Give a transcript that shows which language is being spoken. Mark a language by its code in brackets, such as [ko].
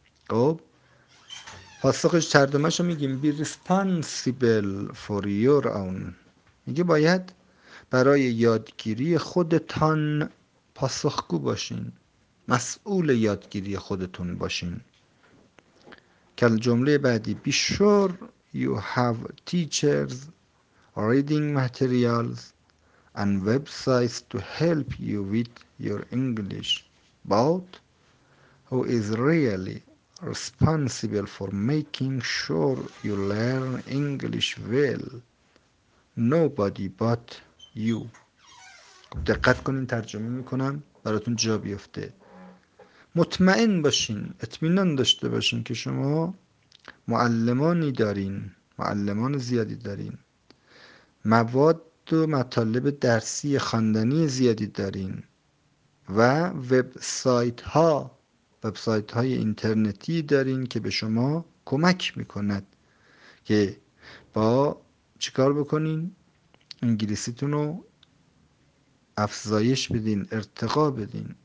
[fa] خب پاسخش چردمش رو میگیم، [en] be responsible for your own، [fa] میگه باید برای یادگیری خودتان پاسخگو باشین، مسئول یادگیری خودتون باشین. [en] کل جمله بعدی، be sure you have teachers, reading materials and websites to help you with your English, but who is really responsible for making sure you learn English well? Nobody but you. [fa] دقت کنین ترجمه میکنم براتون جا بیفته. مطمئن باشین، اطمینان داشته باشین که شما معلمانی دارین، معلمان زیادی دارین، مواد و مطالب درسی خواندنی زیادی دارین و وبسایت های اینترنتی دارین که به شما کمک میکند که با چیکار بکنین، انگلیسیتون رو افزایش بدین، ارتقا بدین.